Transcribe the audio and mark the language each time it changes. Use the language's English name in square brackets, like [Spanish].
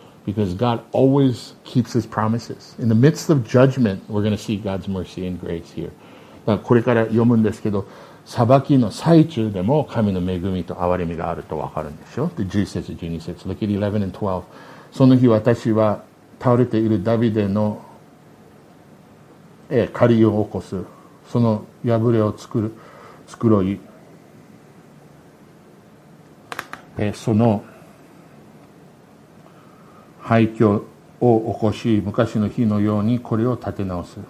[English] Because God always keeps His promises. In the midst of judgment, we're going to see God's mercy and grace here. [Japanese] だからこれから読むんですけど、裁きの最中でも神の恵みと憐れみがあるとわかるんでしょう。で、11節、12節。 [English] Look at 11 and 12. [Japanese] その日私は倒れているダビデの仮を起こす。その破れを繕い、その廃墟を起こし、昔の日のようにこれを立て直す。